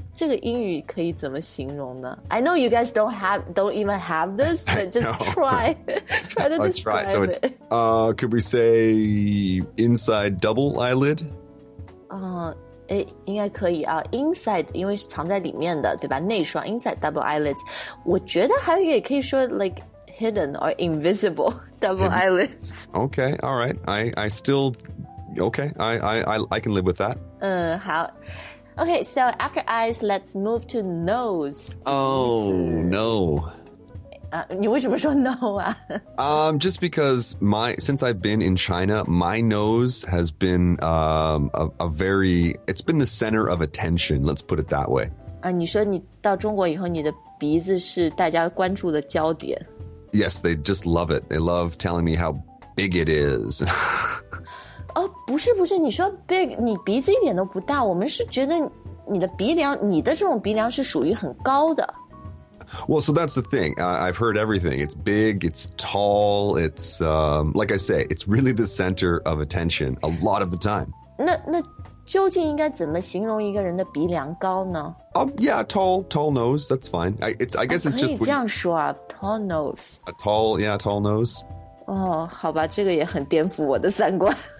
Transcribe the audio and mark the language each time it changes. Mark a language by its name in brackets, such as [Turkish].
[Chinese] 这个英语可以怎么形容呢？ [English] I know you guys don't even have this, but just try. try to describe so it. Could we say inside double eyelid? [Chinese] 应该可以啊 inside 因为是藏在里面的对吧内双 [English] inside double eyelids [Chinese] 我觉得还有也可以说 [English] like hidden or invisible double eyelids okay alright I still okay I can live with that 好 okay so after eyes let's move to nose oh no [Chinese] 你为什么说 no 啊 [English] just because since I've been in China, my nose has been it's been the center of attention, let's put it that way. [Chinese] 你说你到中国以后你的鼻子是大家关注的焦点。 [English] Yes, they just love it. They love telling me how big it is. [Chinese] 不是不是你说 big, 你鼻子一点都不大我们是觉得你的鼻梁你的这种鼻梁是属于很高的。 [English] Well, so that's the thing. I've heard everything. It's big, it's tall, it's, like I say, it's really the center of attention a lot of the time. [Chinese] 那究竟应该怎么形容一个人的鼻梁高呢? [English] Yeah, tall nose, that's fine. I guess it's just... [Chinese] 可以这样说啊, [English] tall nose. Tall nose. [Chinese] 好吧,这个也很颠覆我的三观。